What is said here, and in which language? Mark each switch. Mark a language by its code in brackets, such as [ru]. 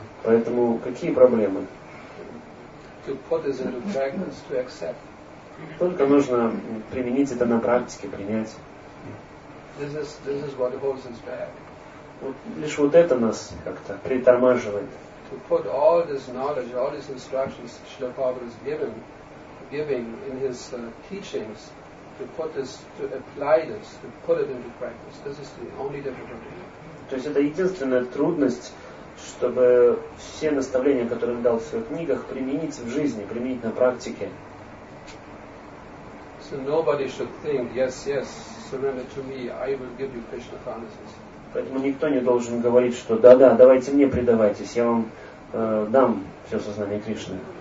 [ru] Поэтому какие проблемы? [en] To put this into practice, to accept. [ru] Только нужно применить это на практике, принять. [en] This is what holds us back. [ru] Вот, лишь вот это нас как-то притормаживает. [en] To put all this knowledge, all these instructions Srila Prabhupada has given, giving in his teachings, to put this, to apply this, to put it into practice. This is the only difficulty. [ru] То есть это единственная трудность, чтобы все наставления, которые он дал в своих книгах, применить в жизни, применить на практике. [en] So nobody should think, yes, yes, surrender to me, I will give you Krishna consciousness. [ru] Поэтому никто не должен говорить, что да-да, давайте мне предавайтесь, я вам дам все сознание Кришны.